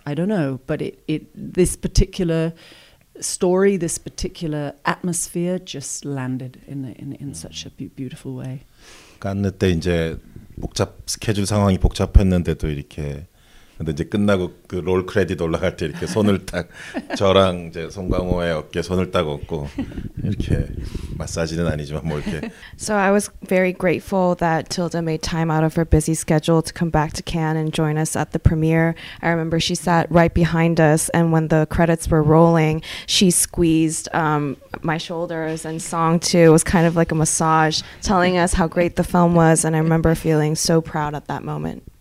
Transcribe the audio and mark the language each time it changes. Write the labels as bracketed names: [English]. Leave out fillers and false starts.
[English] I don't know, but it this particular story, this particular atmosphere, just landed in such a beautiful way. [Korean] 깐느 때 이제 복잡 스케줄 상황이 복잡했는데도 이렇게 근데 이제 끝나고 그 롤 크레딧 올라갈 때 이렇게 손을 딱 저랑 이제 송강호의 어깨 손을 딱 얹고 이렇게 마사지는 아니지만 뭐 이렇게. [English] So I was very grateful that Tilda made time out of her busy schedule to come back to Cannes and join us at the premiere. I remember she sat right behind us, and when the credits were rolling, she squeezed my shoulders, and Song too. It was kind of like a massage, telling us how great the film was, and I remember feeling so proud at that moment.